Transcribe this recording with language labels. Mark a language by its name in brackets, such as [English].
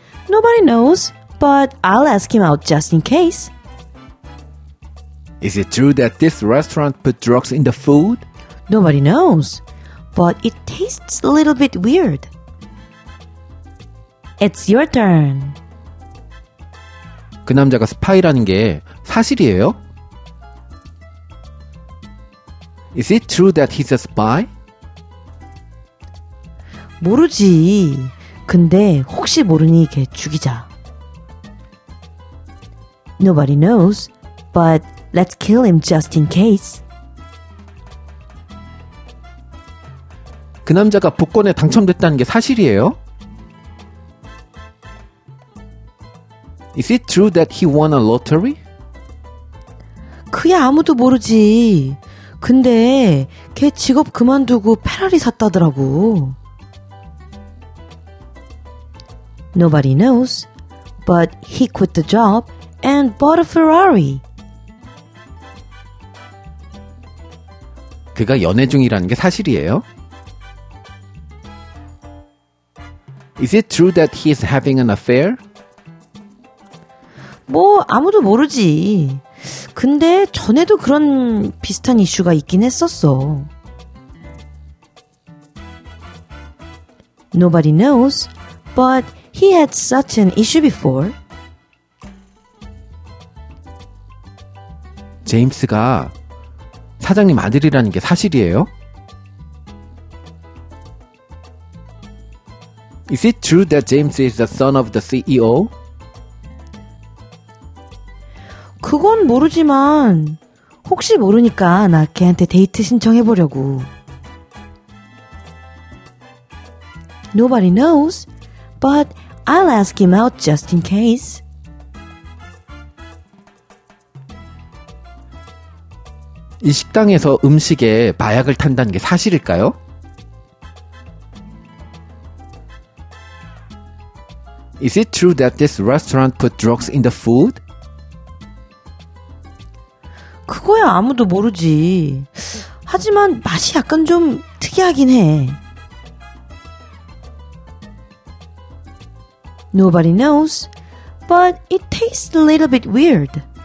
[English] Nobody knows, but I'll ask him out just in case. Is it true that this restaurant put drugs in the food? Nobody knows, but it tastes a little bit weird. It's your turn. [Korean] 그 남자가 스파이라는 게 사실이에요? [English] Is it true that he's a spy? [Korean] 모르지. 근데 혹시 모르니 걔 죽이자. [English] Nobody knows, but let's kill him just in case. [Korean] 그 남자가 복권에 당첨됐다는 게 사실이에요? [English] Is it true that he won a lottery? [Korean] 그야 아무도 모르지. 근데 걔 직업 그만두고 페라리 샀다더라고. [English] Nobody knows, but he quit the job and bought a Ferrari. [Korean] 그가 연애 중이라는 게 사실이에요? [English] Is it true that he is having an affair? [Korean] 뭐 아무도 모르지. 근데 전에도 그런 비슷한 이슈가 있긴 했었어. [English] Nobody knows, but he had such an issue before. [Korean] James가 사장님 아들이라는 게 사실이에요? [English] Is it true that James is the son of the CEO? [Korean] 그건 모르지만 혹시 모르니까 나 걔한테 데이트 신청해보려고. [English] Nobody knows, but I'll ask him out just in case. [Korean] 이 식당에서 음식에 마약을 탄다는 게 사실일까요? [English] Is it true that this restaurant put drugs in the food? [Korean] 그거야 아무도 모르지. 하지만 맛이 약간 좀 특이하긴 해. [English] Nobody knows, but it tastes a little bit weird.